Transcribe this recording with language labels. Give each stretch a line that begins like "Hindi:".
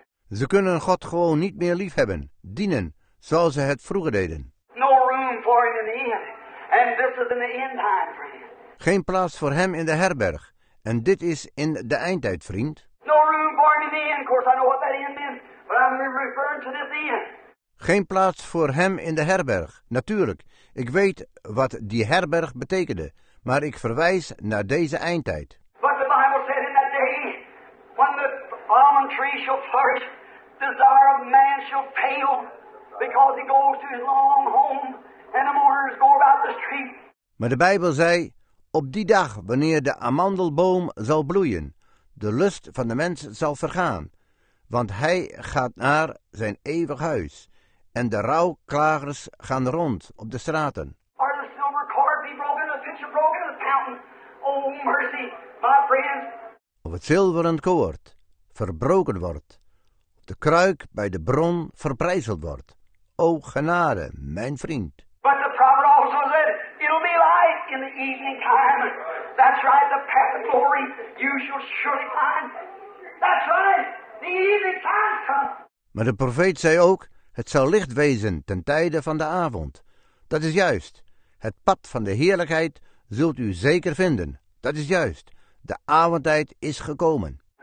Dutch: Ze kunnen God gewoon niet meer liefhebben, dienen, zoals ze het vroeger deden.
English: No room for him in the inn, and this is in the end time, friend.
Dutch: Geen plaats voor hem in de herberg, en dit is in de eindtijd, vriend.
English: No room for him in the inn, of course I know what that inn means, but I'm referring to this inn.
Dutch: Geen plaats voor hem in de herberg, natuurlijk. Ik weet wat die herberg betekende, maar ik verwijs naar deze eindtijd.
English: But the Bible said in that day, when the almond tree shall flourish, desire of man shall pale, because he goes to his long home, and the mourners go about the street.
Dutch: Maar de Bijbel zei, op die dag wanneer de amandelboom zal bloeien, de lust van de mens zal vergaan, want hij gaat naar zijn eeuwig huis, en de rouwklagers gaan rond op de straten.
English: Are the silver cord be broken, the pitcher broken, the fountain? Oh mercy, my friend.
Dutch: Of het zilveren koord verbroken wordt, de kruik bij de bron verbrijzeld wordt. O genade, mijn vriend.
English: But the proverb also said, it'll be light in the evening time. That's right, the path of glory you shall surely find. That's right, the evening time's come.
Dutch: Maar de profeet zei ook, het zal licht wezen ten tijde van de avond. Dat is juist. Het pad van de heerlijkheid zult u zeker vinden. Dat is juist. De avondtijd is gekomen.